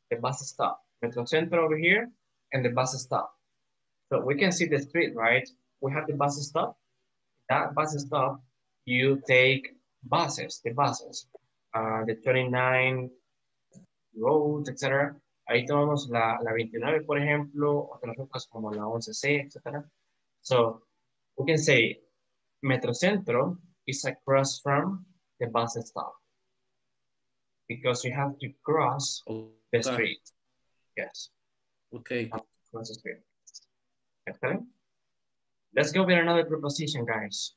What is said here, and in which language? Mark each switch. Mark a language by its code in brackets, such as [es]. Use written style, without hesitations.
[en] The bus stop. Metrocentro over here and the bus stop. So we can see the street, right? We have the bus stop. That bus stop, you take buses, the buses, the 29 roads, etc. [es] Ahí tomamos la 29, por ejemplo, otras rutas como la 11C, etc. [en] So we can say Metrocentro is across from the bus stop because you have to cross the street. Yes. Okay. Excellent. Let's go with another preposition, guys.